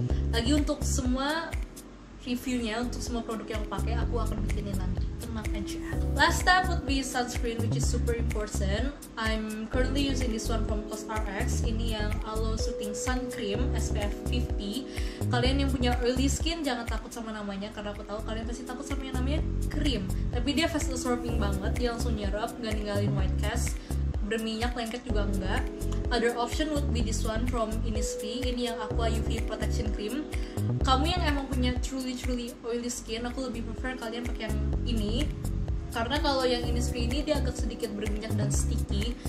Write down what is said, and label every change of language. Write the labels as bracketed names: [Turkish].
[Indonesian] Lagi untuk semua reviewnya, untuk semua produk yang aku pakai, aku akan bikinin nanti, tenang aja. [English] Last step would be sunscreen, which is super important. I'm currently using this one from COSRX. [Indonesian] Ini yang [English] Aloe Soothing Sun Cream SPF 50. [Indonesian] Kalian yang punya [English] oily skin, [Indonesian] jangan takut sama namanya, karena aku tahu kalian pasti takut sama yang namanya cream. Tapi dia [English] fast absorbing [Indonesian] banget, dia langsung nyerap, gak ninggalin [English] white cast. [Indonesian] Berminyak, lengket juga enggak. [English] Other option would be this one from Innisfree. [Indonesian] Ini yang Aqua UV Protection Cream. Kamu yang emang punya [English] truly oily skin, [Indonesian] aku lebih [English] prefer [Indonesian] kalian pakai yang ini. Karena kalau yang Innisfree ini dia agak sedikit berminyak dan [English] sticky.